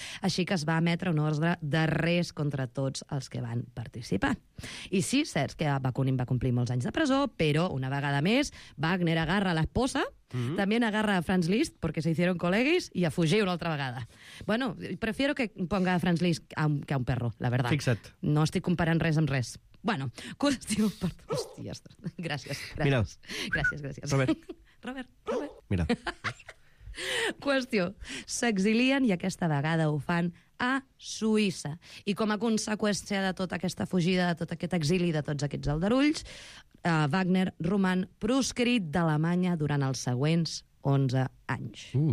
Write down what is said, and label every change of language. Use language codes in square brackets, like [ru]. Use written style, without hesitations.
[ca] Així que es va emetre un ordre de res contra tots els que van participar. I sí, cert que Bakunin va complir molts anys de presó, però, una vegada més, Wagner agarra a l'esposa, també agarra a Franz Liszt, perquè [es] se hicieron colegis, [ca] i a fugir una altra vegada. [es] Bueno, prefiero que ponga a Franz Liszt que a un perro, la verdad. [ca] Fixa't. No estic comparant res amb res. Bueno, qüestió per... Hòstia, ostres. Gràcies. Mira. Gràcies. Robert. Mira. Qüestió. S'exilien, i aquesta vegada ho fan a Suïssa. I com a conseqüència de tota aquesta fugida, de tot aquest exili, de tots aquests aldarulls, Wagner roman proscrit d'Alemanya durant els següents 11 anys.